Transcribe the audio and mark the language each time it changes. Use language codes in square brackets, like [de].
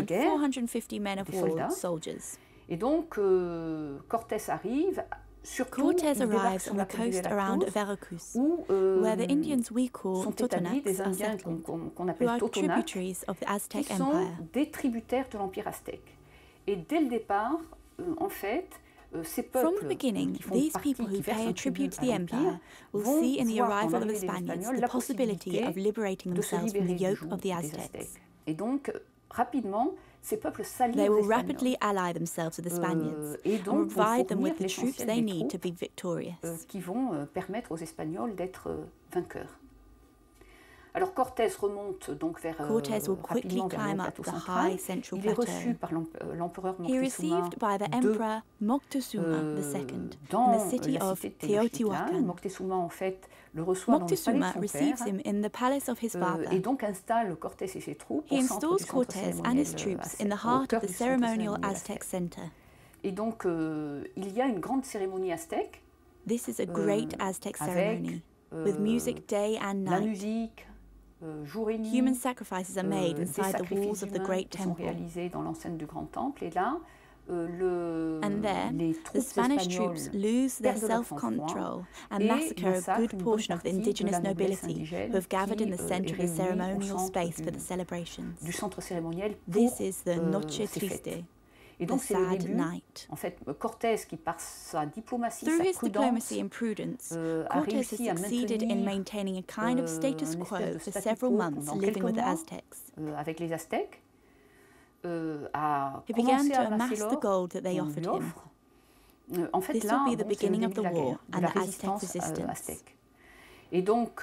[fr] de guerre, [en] 450 men of war, Soldiers. [fr] Et donc Cortés arrive. [en] Cortés arrives on the coast around Veracruz, where the Indians we call Totonacs are settled, who are tributaries of the Aztec Empire. [fr] Sont des tributaires de l'Empire aztèque. Et dès le départ, en fait, ces peuples [en] from the beginning, these people who pay a tribute to the Empire will see in the arrival of the Spaniards the possibility of liberating themselves from the yoke of the Aztecs. [fr] Et donc, rapidement, ces peuples s'allient [en] they will rapidly ally themselves with the Spaniards [fr] et donc [en] and provide them with the troops they need to be victorious. [fr] Qui vont permettre aux Espagnols d'être vainqueurs. Alors Cortés remonte donc vers [en] Cortés will quickly climb up the high central plateau. [fr] Il est reçu par l'empereur Moctezuma. [en] He received by the emperor Moctezuma II in the city of Teotihuacan. [fr] Moctezuma en fait le reçoit Moctezuma dans le palais de son père, [en] palace of his father. [fr] Et donc installe Cortés et ses troupes [en] he [fr] au centre du [en] Cortés and his troops in the heart of the ceremonial Aztec center. [fr] Et donc il y a une grande cérémonie aztèque. [en] This is a great Aztec ceremony. [fr] Avec [en] with music day and night. [fr] La musique, jour et nuit, [en] human sacrifices are made inside the walls of the great temple. [fr] Réalisés dans l'enceinte du grand temple. Et là, [en] and there, the Spanish troupes lose their self-control and massacre a good portion of the indigenous nobility who have gathered in the center of the ceremonial space for the celebrations. [fr] Du centre cérémoniel pour [en] this is the Noche Triste. [fr] Et donc, c'est le début. En fait, Cortés, qui par sa diplomatie, sa prudence, [en] diplomacy and prudence, Cortés a succeeded in maintaining a kind of status quo for several months living with the Aztecs. [fr] Avec les Aztèques, [en] he began to amass the gold that they offered him. [fr] En fait, [en] this will be the beginning of the war and the Aztec resistance. [fr] Et donc,